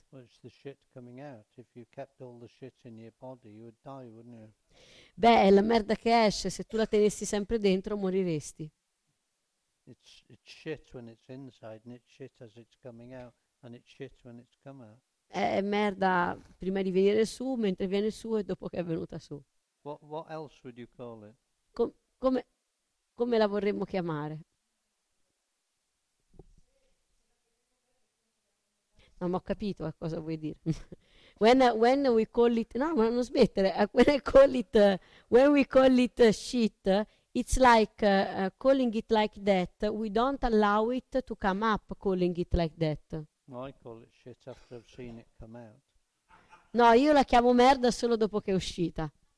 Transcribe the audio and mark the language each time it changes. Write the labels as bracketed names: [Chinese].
[English] Well, it's the shit coming out. If you kept all the shit in your body, you would die, wouldn't you? [Italian] Beh, è la merda che esce. Se tu la tenessi sempre dentro, moriresti. [English] It's shit when it's inside, and it's shit as it's coming out, and it's shit when it's come out. [Italian] È merda prima di venire su, mentre viene su e dopo che è venuta su. [English] What else would you call it? [Italian] Come la vorremmo chiamare? Non ho capito a cosa vuoi dire. [English] when we call it, [Italian] no, ma non smettere. [English] When I call it, when we call it shit, it's like calling it like that. We don't allow it to come up, calling it like that. No, I call it shit after I've seen it come out. [Italian] No, io la chiamo merda solo dopo che è uscita.